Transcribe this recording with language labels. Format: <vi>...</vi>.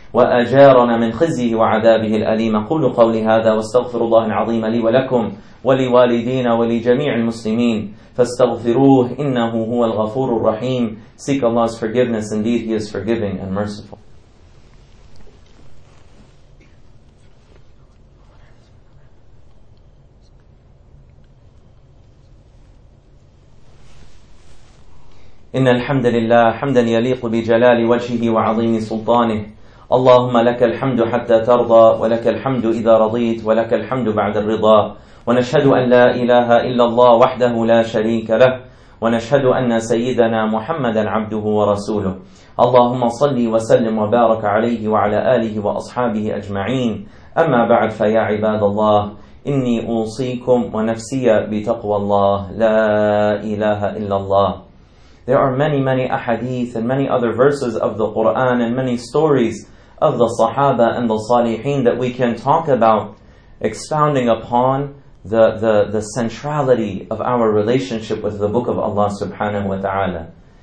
<ar>وأجارنا من خزيه وعذابه الأليم قل قولي هذا واستغفر الله العظيم لي ولكم ولوالدين ولجميع المسلمين فاستغفروه إنه هو الغفور الرحيم.</ar> <en>Seek Allah's forgiveness, indeed He is forgiving and merciful.</en> <ar>إن الحمد لله حمدا يليق بجلال وجهه وعظيم سلطانه اللهم لك الحمد حتى ترضى ولك الحمد إذا رضيت ولك الحمد بعد الرضا ونشهد أن لا إله إلا الله وحده لا شريك له ونشهد أن سيدنا محمدا عبده ورسوله اللهم صل وسلم وبارك عليه وعلى آله وأصحابه أجمعين أما بعد فيا عباد الله إني أوصيكم ونفسي بتقوى الله لا إله إلا الله.</ar> <en>There are many, many ahadith and many other verses of the Qur'an and many stories of the Sahaba and the Salihin that we can talk about, expounding upon the centrality of our relationship with the Book of Allah subhanahu wa ta'ala.</en>